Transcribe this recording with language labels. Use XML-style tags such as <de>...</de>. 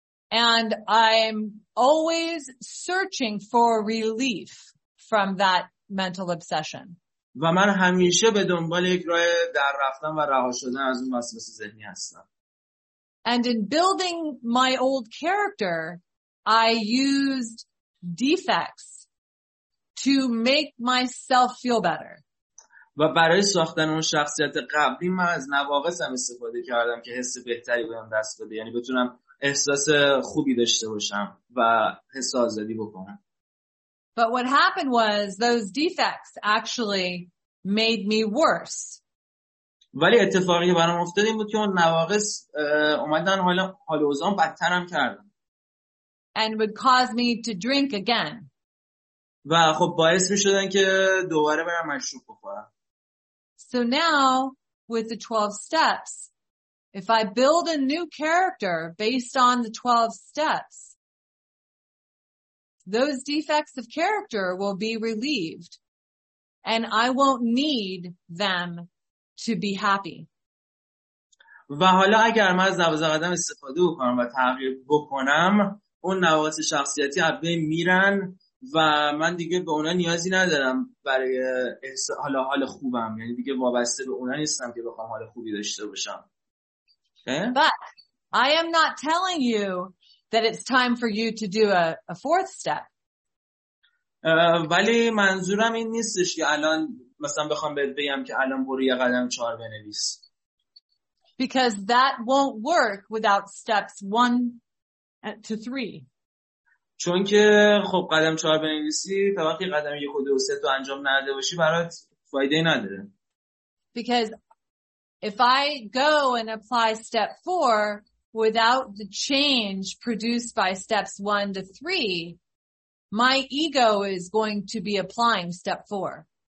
<en>And I'm always searching for relief from that mental obsession.</en> <fa>و من همیشه به دنبال یک راه در رفتن و رها شدن از اون وسواس ذهنی هستم.</fa> <en>And in building my old character, I used defects to make myself feel better.</en> <fa>و برای ساختن اون شخصیت قبلی من از نواقصم استفاده کردم که حس بهتری بهم دست بده، یعنی بتونم احساس خوبی داشته باشم و حس آزادی بکنم.</fa> <en>But what happened was those defects actually made me worse.</en> <fa>ولی اتفاقی که برام افتاد این بود که اون نواقص اومدن حال اوضاعم بدترم کردن.</fa> <en>And would cause me to drink again.</en> <fa>و خب باعث می‌شدن که دوباره برم مشروب بخورم.</fa> <en>So now with the 12 steps, if I build a new character based on the 12 steps, those defects of character will be relieved and I won't need them to be happy.</en> <fa>و حالا اگر من از 12 قدم استفاده بکنم و تغییر بکنم، اون نواقص شخصیتی از بین میرن و من دیگه به اونا نیازی ندارم برای حال خوبم، یعنی دیگه وابسته به اونا نیستم که بخوام حال خوبی داشته باشم.</fa> <en>But I am not telling you that it's time for you to do a fourth step.</en> <fa>ولی منظورم این نیستش که الان مثلا بخوام بهت بگم که الان برو یه قدم چهار بنویس.</fa> <en>Because that won't work without steps 1-3.</en> <fa>چون که خب قدم چهار بنویسی تا وقتی قدم یک و دو و سه تو انجام نده باشی برات فایده نداره.</fa> <en>Because if I go and apply step 4 without the change produced by steps 1-3, my ego is going to be applying step 4.</en>